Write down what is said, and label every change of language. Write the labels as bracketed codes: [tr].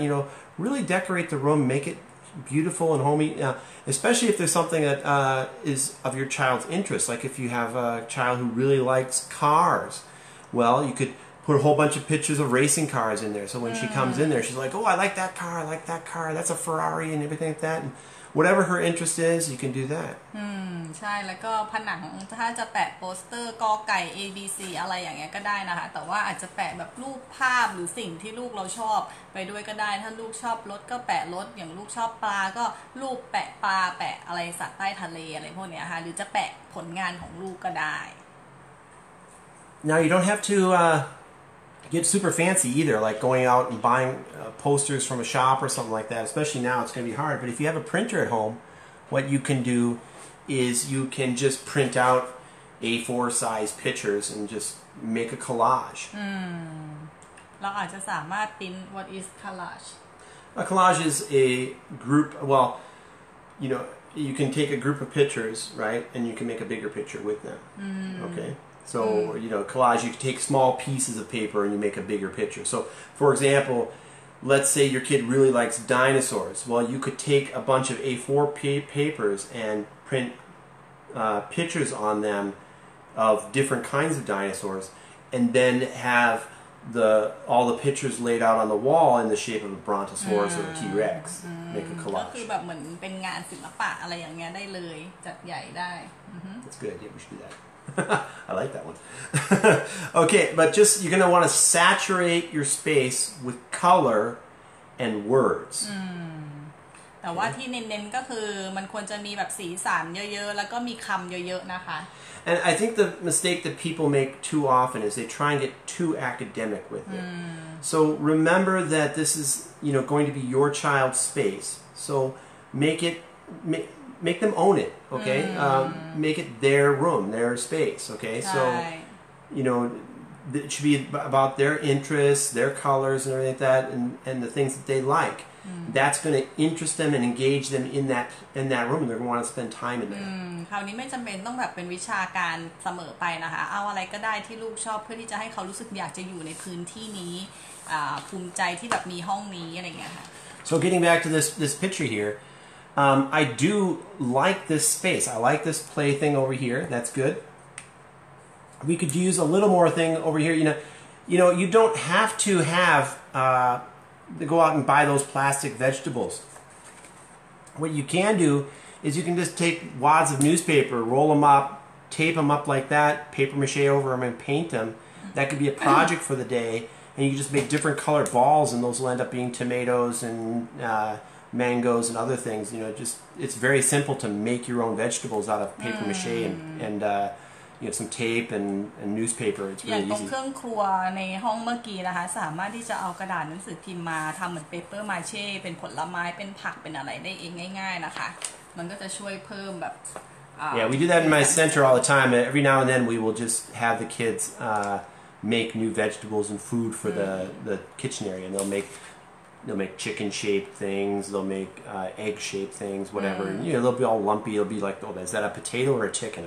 [en] You know, really decorate the room, make it beautiful and homey, especially if there's something that is of your child's interest. Like if you have a child who really likes cars, well, you could put a whole bunch of pictures of racing cars in there. So when she comes in there, she's like, oh, I like that car. That's a Ferrari and everything like that. And whatever her interest is, you can do that. [th] ใช่แล้วก็ผนังถ้าจะแปะโปสเตอร์กอไก่ ABC อะไรอย่างเงี้ยก็ได้นะคะแต่ว่าอาจจะแปะแบบรูปภาพหรือสิ่งที่ลูกเราชอบไปด้วยก็ได้ถ้าลูกชอบรถก็แปะรถอย่างลูกชอบปลาก็รูปแปะปลาแปะอะไรสัตว์ใต้ทะเลอะไรพวกเนี้ยค่ะหรือจะแปะผลงานของลูกก็ได้ [en] Now you don't have to get super fancy either, like going out and buying posters from a shop or something like that. Especially now, it's going to be hard. But if you have a printer at home, what you can do is you can just print out A4 size pictures and just make a collage. Hmm. [th] เราอาจจะสามารถ [en] print what is collage? A collage is a group. Well, you know, you can take a group of pictures, right, and you can make a bigger picture with them. Hmm. Okay. So, you know, collage, you take small pieces of paper and you make a bigger picture. So, for example, let's say your kid really likes dinosaurs. Well, you could take a bunch of A4 papers and print pictures on them of different kinds of dinosaurs and then have all the pictures laid out on the wall in the shape of a brontosaurus or a T-Rex. Make a collage. [th] ก็คือแบบเหมือนเป็นงานศิลปะอะไรอย่างเงี้ยได้เลยจัดใหญ่ได้ [en] That's a good idea. We should do that. I like that one. Okay, but just you're going to want to saturate your space with color and words. [th] แต่ว่าที่เน้นๆก็คือมันควรจะมีแบบสีสันเยอะๆแล้วก็มีคำเยอะๆนะคะ [en] And I think the mistake that people make too often is they try and get too academic with it. So remember that this is, you know, going to be your child's space. So make them own it, okay? Make it their room, their space, okay? Right. So, you know, it should be about their interests, their colors and everything like that, and the things that they like. That's going to interest them and engage them in that room. They're going to want to spend time in there. [th] คราวนี้ไม่จำเป็นต้องแบบเป็นวิชาการเสมอไปนะคะเอาอะไรก็ได้ที่ลูกชอบเพื่อที่จะให้เขารู้สึกอยากจะอยู่ในพื้นที่นี้ภูมิใจที่แบบมีห้องนี้อะไรอย่างเงี้ยค่ะ [en] So getting back to this picture hereI do like this space. I like this play thing over here. That's good. We could use a little more thing over here. You know, you don't have to have go out and buy those plastic vegetables. What you can do is you can just take wads of newspaper, roll them up, tape them up like that, paper mache over them, and paint them. That could be a project for the day. And you just make different colored balls, and those will end up being tomatoes and... mangoes and other things, you know, just it's very simple to make your own vegetables out of paper mache and you know, some tape and newspaper. It's really easy. [th] อย่างตรงเครื่องครัวในห้องเมื่อกี้นะคะสามารถที่จะเอากระดาษหนังสือพิมพ์มาทำเหมือน paper mache เป็นผลไม้เป็นผักเป็นอะไรได้เองง่ายๆนะคะมันก็จะช่วยเพิ่มแบบ [en] Yeah, we do that in my center all the time. Every now and then we will just have the kids make new vegetables and food for the kitchen area, and they'll make They'll make chicken-shaped things. They'll make egg-shaped things, whatever. Mm. You know, they'll be all lumpy. They'll be like, oh, is that a potato or a chicken?